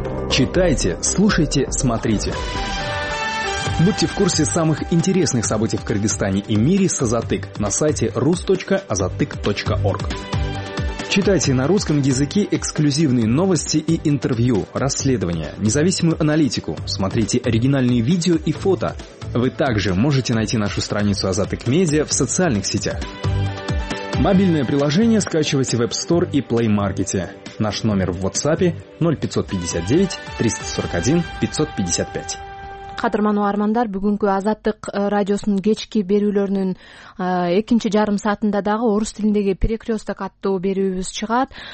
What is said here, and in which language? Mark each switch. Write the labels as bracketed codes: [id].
[ru] Читайте, слушайте, смотрите. Будьте в курсе самых интересных событий в Кыргызстане и мире с Азаттык на сайте rus.azattyk.org. Читайте на русском языке эксклюзивные новости и интервью, расследования, независимую аналитику. Смотрите оригинальные видео и фото. Вы также можете найти нашу страницу Азаттык Медиа в социальных сетях. Мобильное приложение скачивайте в App Store и Play Market. Наш номер в WhatsApp 0559 341 555. [ky] Кадырманы уармандар, бүгүнкү Азаттык радиосунун кечки берүүлөрүнүн экинчи жарым саатында дагы орус тилиндеги перекресток аттуу берүүбүз чыгат.